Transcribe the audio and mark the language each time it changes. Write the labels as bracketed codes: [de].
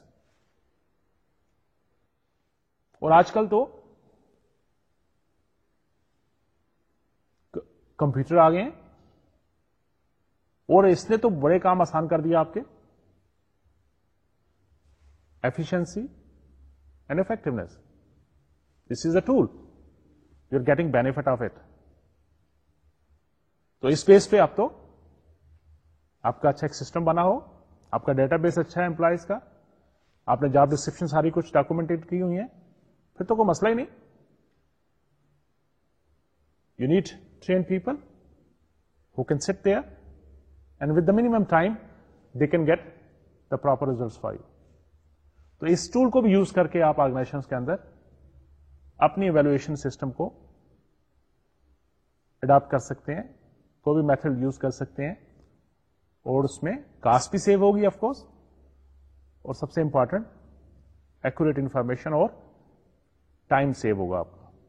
[ur] اور آج کل تو کمپیوٹر آ گئے ہیں اور اس نے تو بڑے کام آسان کر دیا آپ کے, [en] Efficiency and effectiveness, this is a tool, you are getting benefit of it. [ur] تو اس بیس پہ آپ تو آپ کا اچھا ایک سسٹم بنا ہو, آپ کا ڈیٹا بیس اچھا ہے امپلائیز کا, آپ نے جاب ڈسکرپشن ساری کچھ ڈاکومنٹیڈ کی ہوئی ہیں, پھر تو کوئی مسئلہ ہی نہیں. [en] You need train people who can sit there and with the minimum time they can get the proper results for you. [ur] تو اس ٹول کو بھی یوز کر کے آپ آرگنائزیشن کے اندر اپنی ایویلویشن سسٹم کو اڈاپٹ کر سکتے ہیں, کوئی بھی میتھڈ یوز کر سکتے ہیں, اور اس میں کاسٹ بھی سیو ہوگی آف کورس, اور سب سے امپورٹنٹ ایکوریٹ انفارمیشن اور ٹائم سیو ہوگا آپ کا.